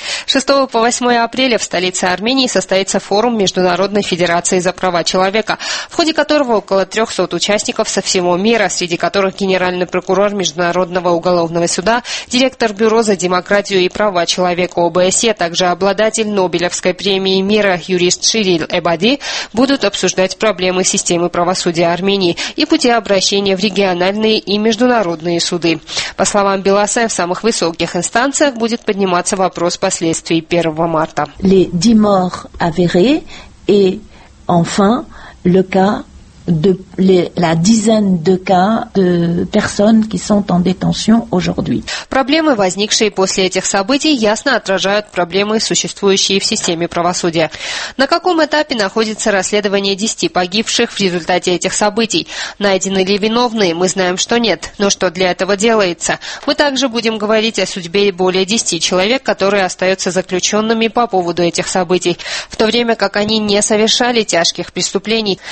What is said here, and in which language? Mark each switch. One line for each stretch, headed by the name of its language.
Russian: 6 по 8 апреля в столице Армении состоится форум Международной Федерации за права человека, в ходе которого около 300 участников со всего мира, среди которых генеральный прокурор Международного уголовного суда, директор Бюро за демократию и права человека ОБСЕ, также обладатель Нобелевской премии мира юрист Ширил Эбади, будут обсуждать проблемы системы правосудия Армении и пути обращения в региональные и международные суды. По словам Беласа, в самых высоких инстанциях будет подниматься вопрос последствий 1 марта.
French: Les 10 morts avérées et enfin le cas de la dizaine de cas de personnes qui sont en détention aujourd'hui.
Russian: Проблемы, возникшие после этих событий, ясно отражают проблемы, существующие в системе правосудия. На каком этапе находится расследование 10 погибших в результате этих событий? Найдены ли виновные? Мы знаем, что нет. Но что для этого делается? Мы также будем говорить о судьбе более 10 человек, которые остаются заключенными по поводу этих событий, в то время как они не совершали тяжких преступлений.